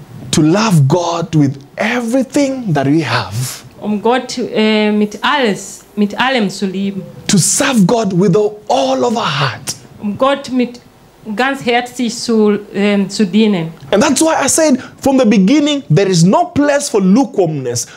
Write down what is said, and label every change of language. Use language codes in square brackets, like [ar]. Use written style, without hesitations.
[en] To love God with everything that we have. [de] Um Gott mit alles, mit allem zu lieben. [en] To serve God with all of our heart. [de] Um Gott mit ganz herzlich zu dienen. [en] And that's why I said from the beginning, there is no place for lukewarmness.